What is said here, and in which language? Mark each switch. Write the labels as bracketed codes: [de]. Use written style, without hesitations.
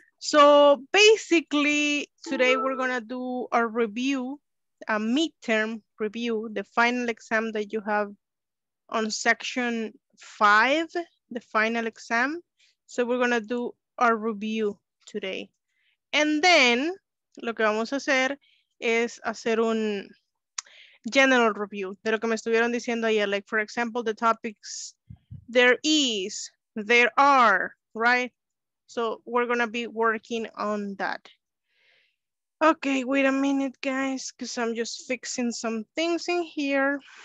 [en] So basically, today we're going to do a review, a midterm review, the final exam that you have on Section 5, the final exam. So we're going to do a review today. And then... [es] lo que vamos a hacer es hacer un general review de lo que me estuvieron diciendo ayer. [en] Like, for example, the topics, there is, there are, right? So we're going to be working on that. Okay, wait a minute, guys, because I'm just fixing some things in here.